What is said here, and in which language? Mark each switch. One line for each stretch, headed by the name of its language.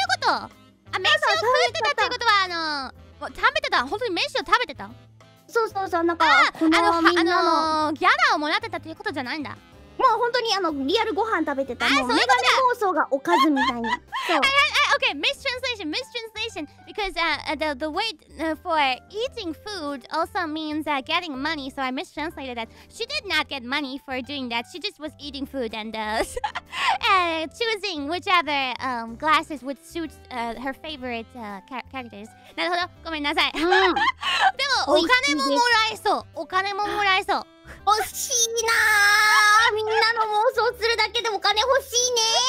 Japanese: あ、飯を食ってたっていうことは、食べてた、本当に飯を食べてた。そうそうそう、なんか、このみんなのギャラをもらってたっていうことじゃないんだ。もう本当にリアルご飯食べてた。あ、そういうことじゃ。メガネ妄想がおかずみたいな。
English: Okay, mistranslation, mistranslation. Because the wait for eating food also means getting money. So I mistranslated that. She did not get money for doing that. She just was eating food and choosing whichever glasses would suit her favorite characters.
Japanese: なるほど。ごめんなさい。でもお金ももらえそう。お金ももらえそう。欲しいなぁ。みんなの妄想するだけでお金欲しいね。